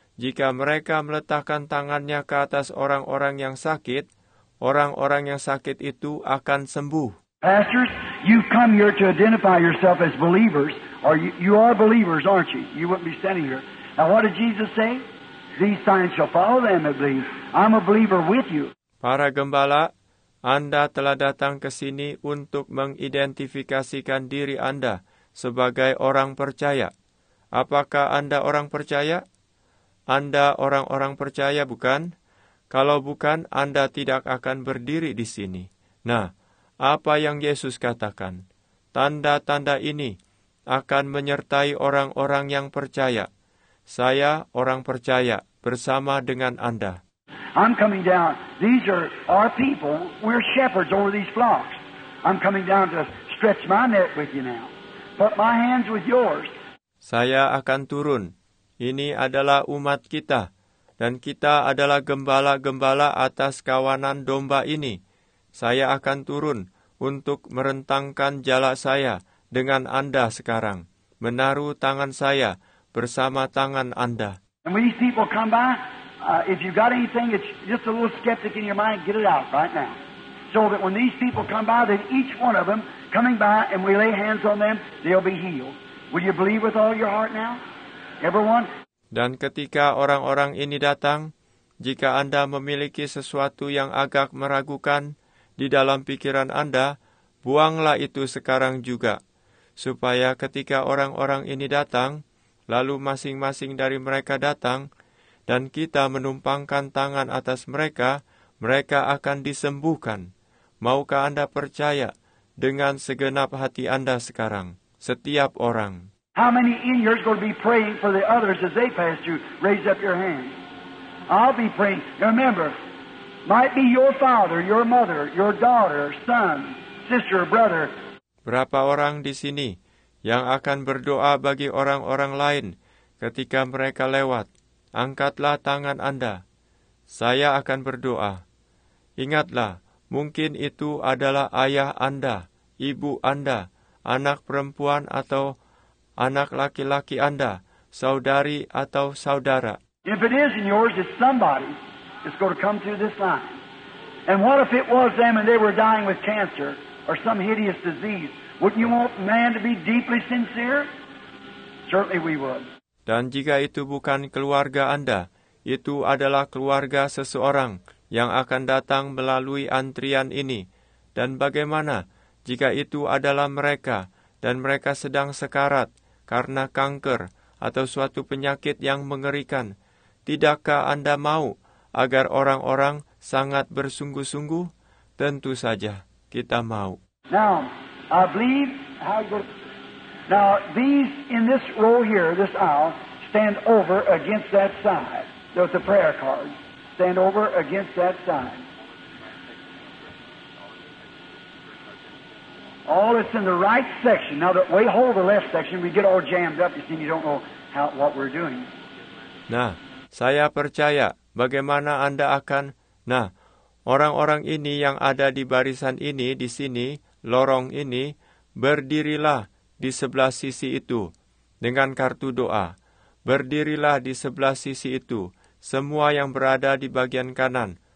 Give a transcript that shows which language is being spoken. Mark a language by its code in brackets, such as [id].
[id] Jika mereka meletakkan tangannya ke atas orang-orang yang sakit, orang-orang yang sakit itu akan sembuh. [en] Pastors, you come here to identify yourself as believers. Or you are believers, aren't you? You wouldn't be standing here. Now, what did Jesus say? These signs shall follow them that believe. I'm a believer with you. [id] Para gembala, Anda telah datang ke sini untuk mengidentifikasikan diri Anda sebagai orang percaya. Apakah Anda orang percaya? Anda orang-orang percaya, bukan? Kalau bukan, Anda tidak akan berdiri di sini. Nah, apa yang Yesus katakan? Tanda-tanda ini akan menyertai orang-orang yang percaya. Saya orang percaya bersama dengan Anda. [en] I'm coming down. These are our people. We're shepherds over these flocks. I'm coming down to stretch my net with you now. Put my hands with yours. [id] Saya akan turun. Ini adalah umat kita, dan kita adalah gembala-gembala atas kawanan domba ini. Saya akan turun untuk merentangkan jala saya dengan Anda sekarang, menaruh tangan saya bersama tangan Anda. [en] And when these people come by, if you've got anything, it's just a little skeptic in your mind, get it out right now. So that when these people come by, then each one of them coming by and we lay hands on them, they'll be healed. Will you believe with all your heart now? Everyone? [id] Dan ketika orang-orang ini datang, jika Anda memiliki sesuatu yang agak meragukan di dalam pikiran Anda, buanglah itu sekarang juga. Supaya ketika orang-orang ini datang, lalu masing-masing dari mereka datang, dan kita menumpangkan tangan atas mereka, mereka akan disembuhkan. Maukah Anda percaya dengan segenap hati Anda sekarang, setiap orang? [en] How many in here is going to be praying for the others as they pass you? Raise up your hand. I'll be praying. Remember, might be your father, your mother, your daughter, son, sister, or brother. [id] Berapa orang di sini yang akan berdoa bagi orang-orang lain ketika mereka lewat? Angkatlah tangan Anda. Saya akan berdoa. Ingatlah, mungkin itu adalah ayah Anda, ibu Anda, anak perempuan atau anak laki-laki Anda, saudari atau saudara. [en] If it is in yours, it's somebody that's going to come through this line. And what if it was them and they were dying with cancer or some hideous disease? Wouldn't you want man to be deeply sincere? Certainly we would. [id] Dan jika itu bukan keluarga Anda, itu adalah keluarga seseorang yang akan datang melalui antrian ini. Dan bagaimana jika itu adalah mereka dan mereka sedang sekarat karena kanker atau suatu penyakit yang mengerikan? Tidakkah Anda mau agar orang-orang sangat bersungguh-sungguh? Tentu saja, kita mau. [en] Now, I believe how good. Now, these in this row here, this aisle, stand over against that side. There's a prayer card. Stand over against that side. All that's in the right section. Now, the way hold the left section, we get all jammed up. You see, you don't know how what we're doing. [id] Nah, saya percaya bagaimana Anda akan. Nah, Orang-orang ini yang ada di barisan ini, di sini, lorong ini, berdirilah di sebelah sisi itu dengan kartu doa. Berdirilah di sebelah sisi itu, semua yang berada di bagian kanan.